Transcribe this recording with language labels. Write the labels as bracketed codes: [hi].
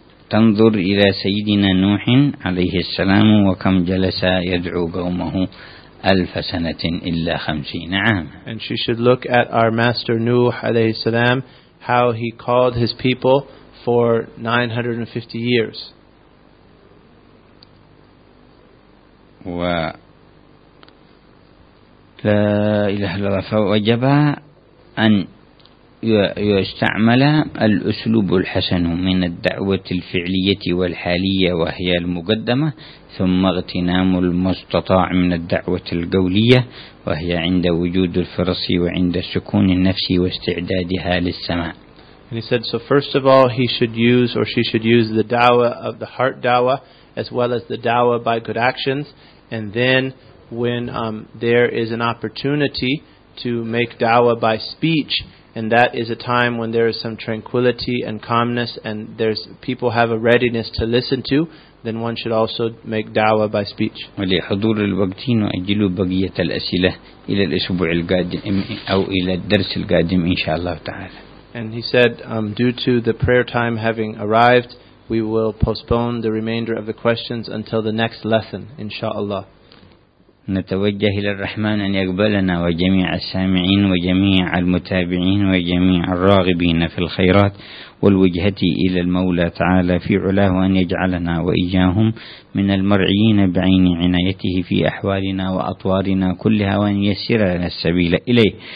[ar] تنظر إلى سيدنا نوح عليه السلام وكم جلس يدعو قومه 1000 سنة إلا 50 عاما. [en] And she should look at our master Nuh [ar] عليه السلام, [en] how he called his people for 950 years. [ar] لا إله إلا الله. فوجب أن يستعمل الأسلوب الحسن من الدعوة الفعلية والحالية وهي المقدمة, ثم اغتنام المستطاع من الدعوة القولية وهي عند وجود الفرص وعند سكون النفس واستعدادها للسماع. [en] And he said, so first of all, he should use or she should use the dawah of the heart dawah as well as the dawah by good actions, and then when there is an opportunity to make dawah by speech, and that is a time when there is some tranquility and calmness and there's people have a readiness to listen to, then one should also make dawah by speech. [ar] ولحضور الوقت نؤجل بقية الأسئلة إلى الأسبوع القادم أو إلى الدرس القادم إن شاء الله تعالى. [en] And he said, due to the prayer time having arrived, we will postpone the remainder of the questions until the next lesson, inshallah. [ar] نتوجه إلى الرحمن أن يقبلنا وجميع السامعين وجميع المتابعين وجميع الراغبين في الخيرات والوجهة إلى المولى تعالى في علاه, وأن يجعلنا وإياهم من المرعين بعين عنايته في أحوالنا وأطوارنا كلها, وأن يسر لنا السبيل إليه,